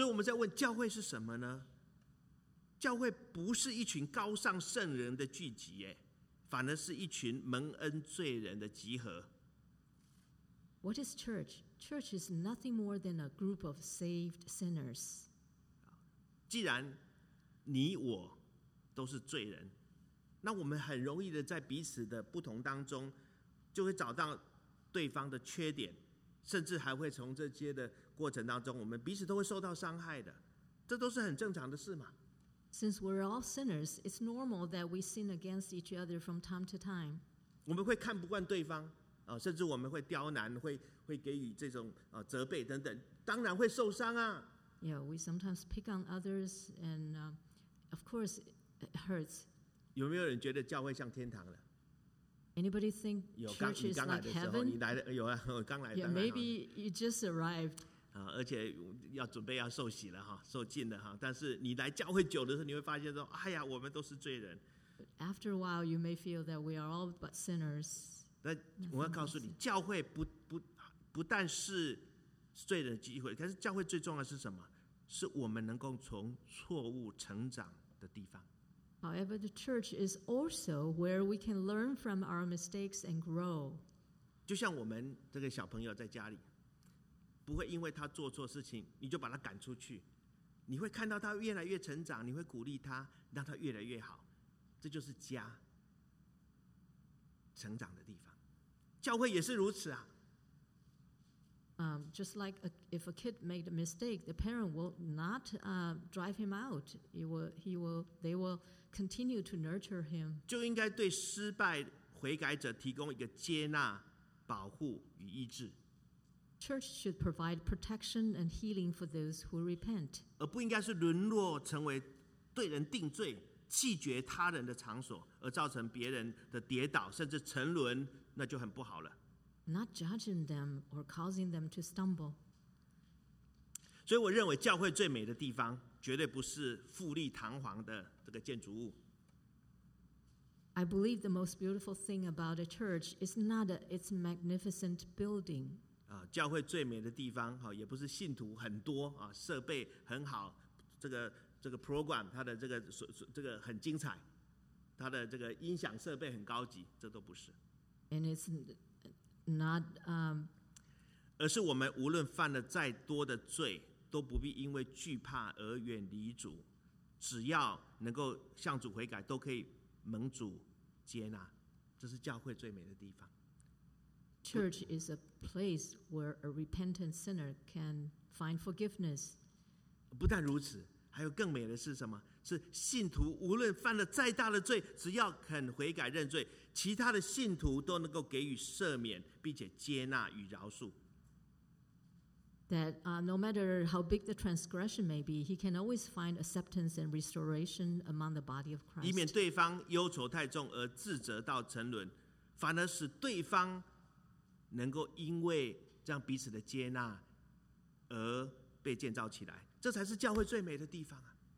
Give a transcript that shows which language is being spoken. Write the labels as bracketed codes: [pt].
[zh] 所以我们在问教会是什么呢？教会不是一群高尚圣人的聚集，反而是一群蒙恩罪人的集合。 [en] What is church? Church is nothing more than a group of saved sinners. [zh] 既然你我都是罪人，那我们很容易的在彼此的不同当中，就会找到对方的缺点，甚至还会从这些的过程当中，我们彼此都会受到伤害的，这都是很正常的事嘛。 [en] Since we're all sinners, it's normal that we sin against each other from time to time. [zh] 我们会看不惯对方，甚至我们会刁难，会给予这种责备等等，当然会受伤啊。 [en] Yeah, we sometimes pick on others, and of course, it hurts. [zh] 有没有人觉得教会像天堂了？ [en] Anybody think church is like heaven? [zh] 你来的有啊，我刚来。 [en] Yeah, maybe you just arrived. [zh] 而且要准备要受洗了哈，受浸了哈。但是你来教会久的时候，你会发现说，哎呀，我们都是罪人。 [en] After a while, you may feel that we are all but sinners. [zh] 但我要告诉你，教会不但是罪人的机会，但是教会最重要的是什么？是我们能够从错误成长的地方。 [en] However, the church is also where we can learn from our mistakes and grow. [zh] 就像我们这个小朋友在家里。不会因为他做错事情你就把他赶出去，你会看到他越来越成长，你会鼓励他让他越来越好，这就是家成长的地方。教会也是如此啊。 [en] Just like if a kid made a mistake, the parent will not drive him out. They will continue to nurture him. [zh] 就应该对失败悔改者提供一个接纳、保护与医治。 [en] Church should provide protection and healing for those who repent. [zh] 而不应该是沦落成为对人定罪、弃绝他人的场所，而造成别人的跌倒甚至沉沦，那就很不好了。 [en] Not judging them or causing them to stumble. [zh] 所以我认为教会最美的地方，绝对不是富丽堂皇的这个建筑物。 [en] I believe the most beautiful thing about a church is not its magnificent building. [zh] 教会最美的地方也不是信徒很多，设备很好，这个 program 它的这个很精彩，它的这个音响设备很高级，这都不是。 [en] And it's not [zh] 而是我们无论犯了再多的罪，都不必因为惧怕而远离主，只要能够向主悔改，都可以蒙主接纳。这是教会最美的地方。 [en] Church is a place where a repentant sinner can find forgiveness. [zh] 不但如此，还有更美的是什么？是信徒无论犯了再大的罪，只要肯悔改认罪，其他的信徒都能够给予赦免，并且接纳与饶恕。 [en] That no matter how big the transgression may be, he can always find acceptance and restoration among the body of Christ. [zh] 以免对方忧愁太重而自责到沉沦，反而使对方能够因为这样彼此的接纳而被建造起来，这才是教会最美的地方啊。